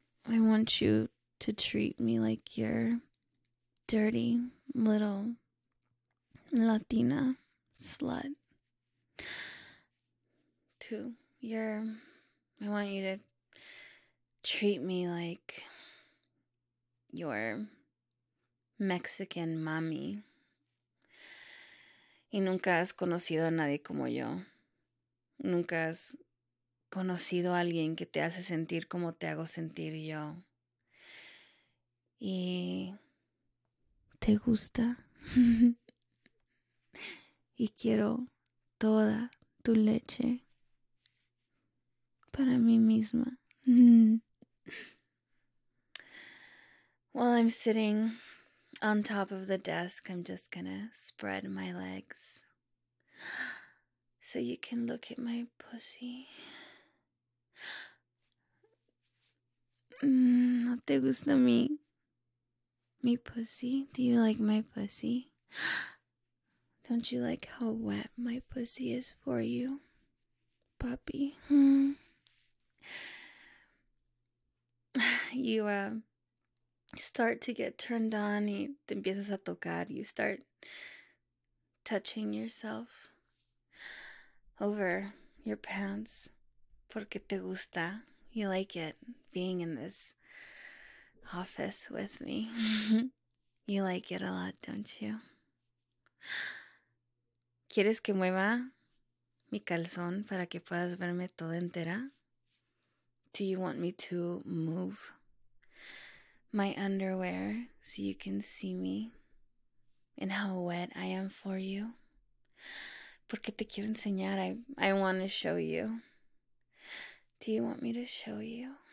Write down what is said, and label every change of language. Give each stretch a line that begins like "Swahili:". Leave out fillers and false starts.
English: I want you to treat me like your dirty little Latina slut. I want you to treat me like your Mexican mommy.
Spanish: Y nunca has conocido a nadie como yo. Nunca has conocido a alguien que te hace sentir como te hago sentir yo. Y te gusta. Y quiero toda tu leche para mí misma.
English: While I'm sitting on top of the desk, I'm just gonna spread my legs so you can look at my pussy.
Spanish: ¿No te gusta mi pussy?
English: Do you like my pussy? Don't you like how wet my pussy is for you, puppy? You start to get turned on
Spanish: y te empiezas a tocar.
English: You start touching yourself over your pants
Spanish: porque te gusta.
English: You like it being in this office with me. You like it a lot, don't you?
Spanish: ¿Quieres que mueva mi calzón para que puedas verme toda entera?
English: Do you want me to move my underwear so you can see me and how wet I am for you?
Spanish: Porque te quiero enseñar.
English: I want to show you. Do you want me to show you?